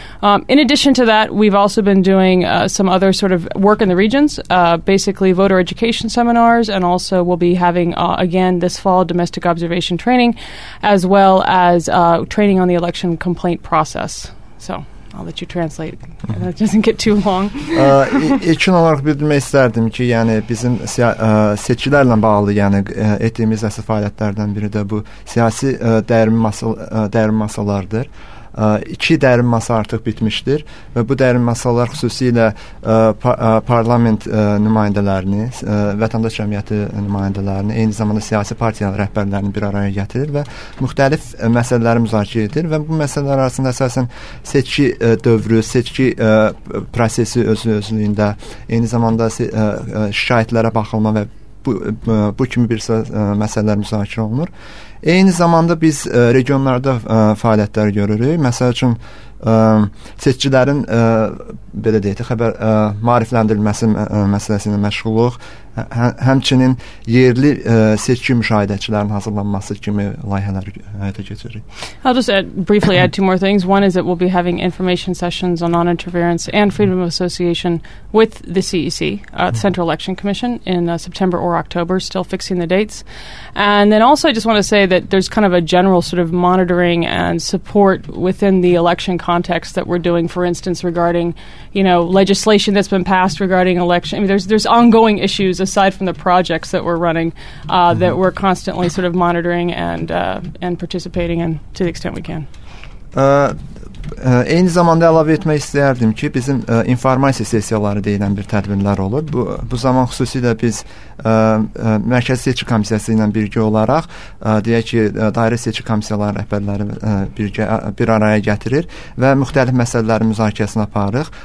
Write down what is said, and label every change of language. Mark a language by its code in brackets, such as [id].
[en] In addition to that, we've also been doing some other sort of work in the regions, basically voter education seminars, and also we'll be having, again, this fall, domestic observation training, as well as training on the election complaint process. So I'll let you translate. That doesn't get too long. [az] İlkin olaraq bildirmək istərdim ki, yəni bizim seçkilərlə bağlı, yəni etdiyimiz əsas fəaliyyətlərdən biri də bu siyasi dərin masalardır. İki dərin masa artıq bitmişdir və bu dərin masalar xüsusilə parlament nümayəndələrini, vətəndaş cəmiyyəti nümayəndələrini, eyni zamanda siyasi partiyanın rəhbərlərini bir araya gətirir və müxtəlif məsələləri müzakirə edir və bu məsələlər arasında əsasən seçki dövrü, seçki prosesi özlüyündə, eyni zamanda şikayətlərə baxılma və bu kimi bir məsələlər müzakirə olunur. Eyni zamanda biz regionlarda fəaliyyətlər görürük. Məsəl üçün, seçicilərin belə deyək də, xəbər maarifləndirilməsi məsələsində məşğulluq, həmçinin yerli seçki müşahidəçilərin hazırlanması kimi layihələri həyata keçiririk. [en] I'll just briefly add two more things. One is that we'll be having information sessions on non-interference and freedom of association with the CEC, the Central Election Commission, in September or October, still fixing the dates. And then also I just want to say that there's kind of a general sort of monitoring and support within the election context that we're doing, for instance, regarding, you know, legislation that's been passed regarding election. I mean, there's ongoing issues aside from the projects that we're running that we're constantly sort of monitoring and participating in to the extent we can. [az] Eyni zamanda əlavə etmək istəyərdim ki, bizim informasiya sessiyaları deyilən bir tədbirlər olur. Bu zaman xüsusilə biz Mərkəzi Seçki Komissiyası ilə birgə olaraq, deyək ki, Dairə Seçki Komissiyaları rəhbərləri bir araya gətirir və müxtəlif məsələləri müzakirəsini aparırıq.